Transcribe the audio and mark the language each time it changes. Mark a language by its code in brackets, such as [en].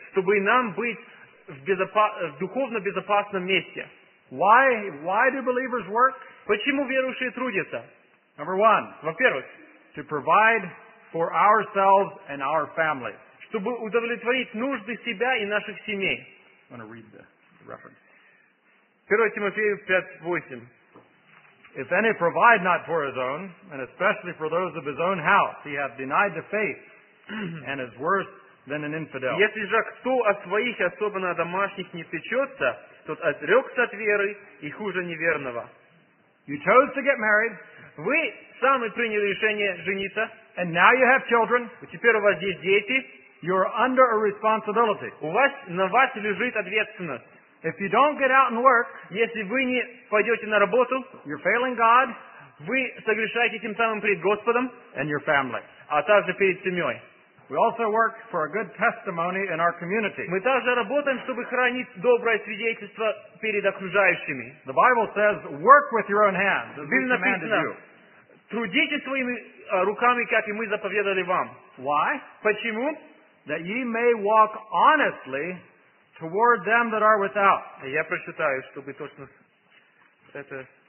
[ru] Чтобы нам быть в духовно безопасном месте. [en] Why do believers work? [ru] Почему верующие трудятся? [en] Number one. [ru] Во-первых. [en] To provide for ourselves and our family. [ru] Чтобы удовлетворить нужды себя и наших семей. [en] I'm going to read the reference. [ru] 1 Тимофею 5:8. [en] If any provide not for his own, and especially for those of his own house, he hath denied the faith, and is worse than an infidel. [ru] Если же кто о своих, особенно о домашних, не печется, тот отрекся от веры и хуже неверного. [en] You chose to get married. [ru] Вы сами приняли решение жениться. [en] And now you have children. [ru] Теперь у вас есть дети. [en] You're under a responsibility. [ru] На вас лежит ответственность. [en] If you don't get out and work, [ru] если вы не пойдете на работу, [en] you're failing God, [ru] вы согрешаете тем самым перед Господом, [en] and your family, [ru] а также перед семьей. [en] We also work for a good testimony in our community. [ru] Мы также работаем, чтобы хранить доброе свидетельство перед окружающими. [en] The Bible says, "Work with your own hands, as we commanded you." [ru] Трудитесь своими руками, как и мы заповедали вам. [en] Why? [ru] Почему? [en] That ye may walk honestly toward them that are without. [ru] Я прочитаю, чтобы точно это.